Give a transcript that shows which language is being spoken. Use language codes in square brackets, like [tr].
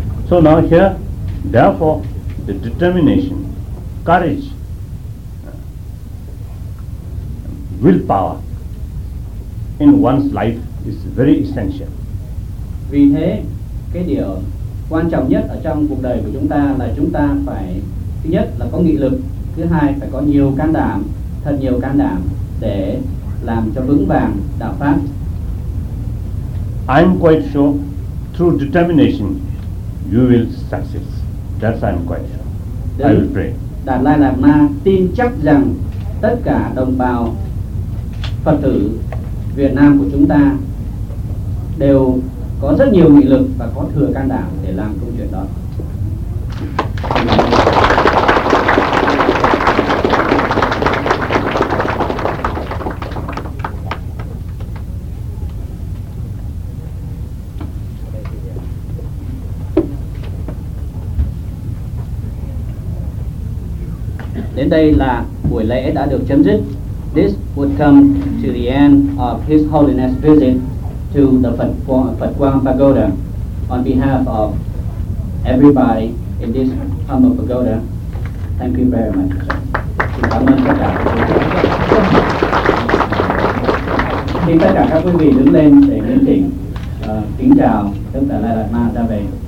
[en] So now here, therefore, the determination, courage, willpower in one's life is very essential. [vi] Vì thế, cái điều quan trọng nhất ở trong cuộc đời của chúng ta là chúng ta phải, thứ nhất là có nghị lực, thứ hai phải có nhiều can đảm, thật nhiều can đảm để làm cho vững vàng đạo pháp. [en] I'm quite sure through determination you will succeed. That's I'm quite sure. Đấy, I will pray. [vi] Đạt Lai Lạt Ma tin chắc rằng tất cả đồng bào Phật tử Việt Nam của chúng ta đều có rất nhiều nghị lực và có thừa can đảm để làm công chuyện đó. Đến đây là buổi lễ đã được chấm dứt. [en] This would come to the end of His Holiness visit to the Phật Quang Pagoda. On behalf of everybody in this humble pagoda, thank you very much. [vi] Cảm ơn tất cả. Khi tất cả các quý vị đứng lên để kính thỉnh kính chào Đức Đạt Lai Lạt Ma ra về.